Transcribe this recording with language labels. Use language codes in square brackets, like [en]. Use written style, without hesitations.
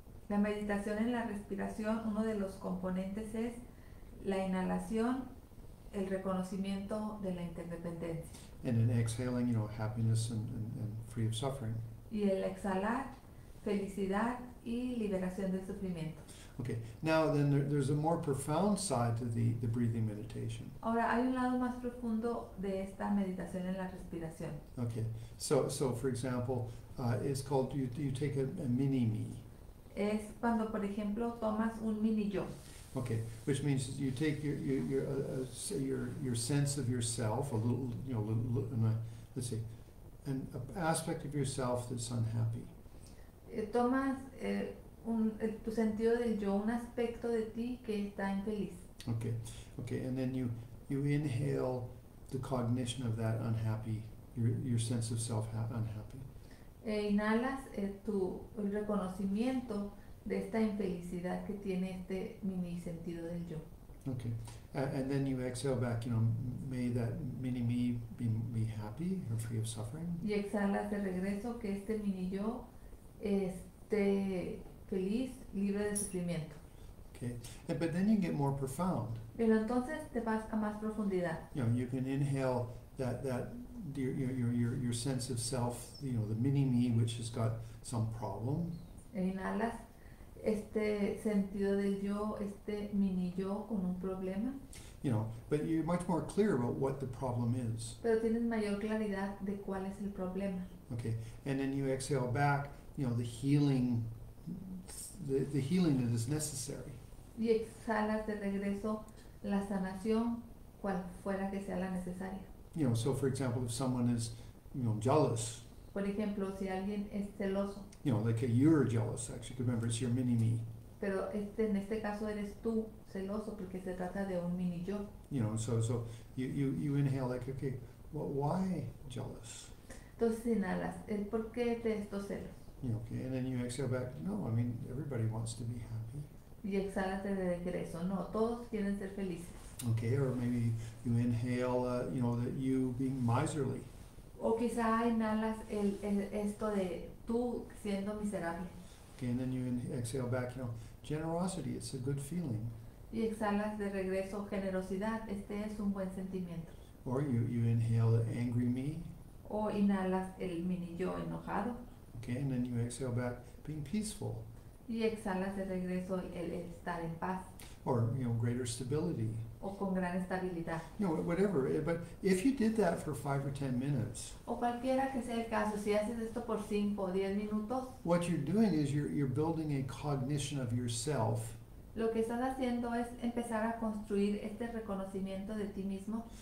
[es] La meditación en la respiración, uno de los componentes es la inhalación, el reconocimiento de la interdependencia. [en] And in exhaling, you know, happiness and free of suffering. [es] Y el exhalar, felicidad y liberación del sufrimiento. [en] Okay, now then there's a more profound side to the breathing meditation. [es] Ahora hay un lado más profundo de esta meditación en la respiración. [en] Okay, so for example, it's called you take a mini me. [es] Es cuando, por ejemplo, tomas un mini yo. [en] Okay, which means you take your sense of yourself, a little, you know, an aspect of yourself that's unhappy. [es] Tomas tu sentido del yo, un aspecto de ti que está infeliz. [en] Okay, and then you inhale the cognition of that unhappy, your sense of self unhappy. [es] Inhalas tu reconocimiento de esta infelicidad que tiene este mini sentido del yo. [en] Okay, and then you exhale back, you know, may that mini me be happy or free of suffering. [es] Y exhalas de regreso que este mini yo esté feliz, libre de sufrimiento. [en] Okay, but then you get more profound. [es] Pero entonces te vas a más profundidad. [en] You know, you can inhale that your sense of self, you know, the mini me which has got some problem. [es] Inhalas este sentido del yo, este mini yo con un problema. [en] You know, but you're much more clear about what the problem is. [es] Pero tienes mayor claridad de cuál es el problema. [en] Okay, and then you exhale back, you know, the healing, the healing that is necessary. [es] Y exhalas de regreso la sanación, cual fuera que sea la necesaria. [en] You know, so for example, if someone is, you know, jealous. [es] Por ejemplo, si alguien es celoso. [en] You know, like you're jealous, actually. Remember, it's your mini-me. [es] Pero este, en este caso eres tú celoso porque se trata de un mini yo. [en] You know, so you inhale like, okay, well, why jealous? [es] Entonces inhalas, ¿por qué de estos celos? [en] You know, okay, and then you exhale back, no, I mean, everybody wants to be happy. [es] Y exhalas de regreso, no, todos quieren ser felices. [en] Okay, or maybe you inhale, you know, that you being miserly. [es] O quizá inhalas el esto de tú siendo miserable. [en] Okay, and then you exhale back, you know, generosity, it's a good feeling. [es] Y exhalas de regreso, generosidad, este es un buen sentimiento. [en] Or you inhale the angry me. [es] O inhalas el mini yo enojado. [en] Okay, and then you exhale back, being peaceful. [es] Y exhalas de regreso el estar en paz. [en] Or, you know, greater stability. [es] O con gran estabilidad. [en] No, whatever, but if you did that for 5 or 10 minutes. [es] O cualquiera que sea el caso, si haces esto por 5 o 10 minutos. [en] What you're doing is you're building a cognition of yourself. [es] Lo que estás haciendo es empezar a construir este reconocimiento de ti mismo.